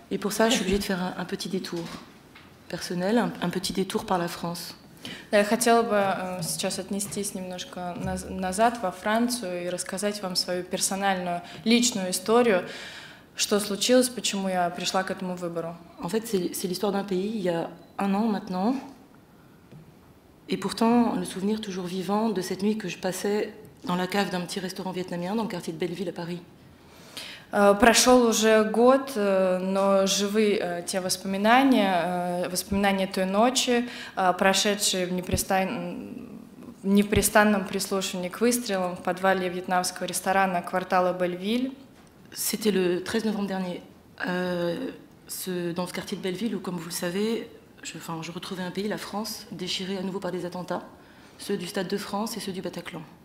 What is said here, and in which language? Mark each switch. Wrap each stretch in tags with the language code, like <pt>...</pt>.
<fr>Et pour ça, je suis obligée de faire un petit détour personnel, un petit détour par la France.</fr> <ru>Я хотела бы сейчас отнестись немножко назад во Францию и рассказать вам свою персональную, личную историю, что случилось, почему я пришла к этому выбору.</ru> <fr>En fait, c'est l'histoire d'un pays il y a un an maintenant, et pourtant le souvenir toujours vivant de cette nuit que je passais dans la cave d'un petit restaurant vietnamien dans le quartier de Belleville à Paris.</fr> <ru>Прошел уже год, но живы те воспоминания, воспоминания той ночи, прошедшие в непрестанном прислушивании к выстрелам в подвале вьетнамского ресторана квартала Бельвиль.</ru> <fr>C'était le 13 novembre dernier, dans ce quartier de Belleville, où, comme vous le savez, je retrouvais un pays, la France, déchirée à nouveau par des attentats, ceux du Stade de France et ceux du Bataclan.</fr>